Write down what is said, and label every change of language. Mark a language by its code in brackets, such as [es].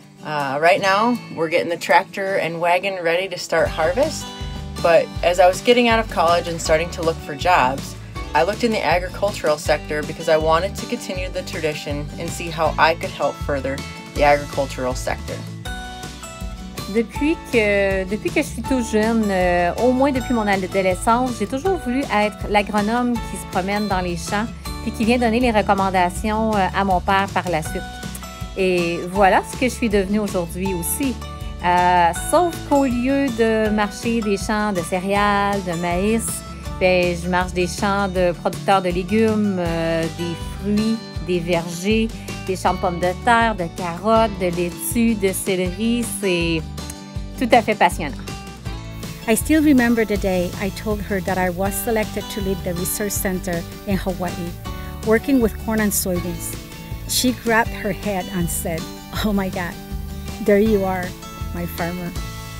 [en] Right now, we're getting the tractor and wagon ready to start harvest. But as I was getting out of college and starting to look for jobs, I looked in the agricultural sector because I wanted to continue the tradition and see how I could help further the agricultural sector. [fr] Depuis que je suis tout jeune, au moins depuis mon adolescence, j'ai toujours voulu être l'agronome qui se promène dans les champs puis qui vient donner les recommandations à mon père par la suite. Et voilà ce que je suis devenue aujourd'hui aussi. Sauf qu'au lieu de marcher des champs de céréales, de maïs, ben, je marche des champs de producteurs de légumes, des fruits, des vergers, des champs de pommes de terre, de carottes, de laitues, de céleri. C'est tout à fait passionnant. [en] I still remember the day I told her that I was selected to lead the research center in Hawaii, working with corn and soybeans. She grabbed her head and said, "Oh my God, there you are, my farmer."